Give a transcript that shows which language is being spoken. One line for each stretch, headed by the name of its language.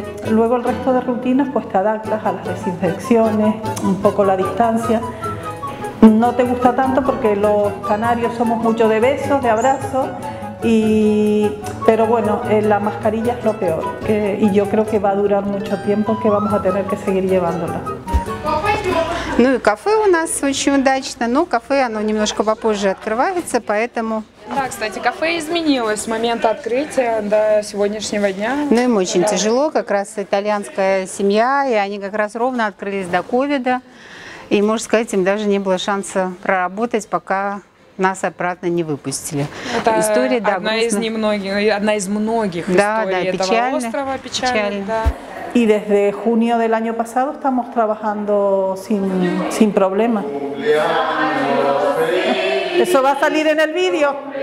Spanish: Luego el resto de rutinas, pues te adaptas a las desinfecciones, un poco la distancia. No te gusta tanto porque los canarios somos mucho de besos, de abrazos, pero bueno, la mascarilla es lo peor, y yo creo que va a durar mucho tiempo, que vamos a tener que seguir llevándola.
Russian: Ну и кафе у нас очень удачно, но кафе оно немножко попозже открывается, поэтому... Да, кстати, кафе изменилось с момента открытия до сегодняшнего дня. Ну им очень тяжело, как раз итальянская семья, и они как раз ровно открылись до ковида. И, можно сказать, им даже не было шанса проработать, пока нас обратно не выпустили. Это история, да, одна из многих да, историй, да, печально, этого острова. Печально. Да.
Spanish: И desde junio del año pasado estamos trabajando sin problema. Eso va a salir en el video.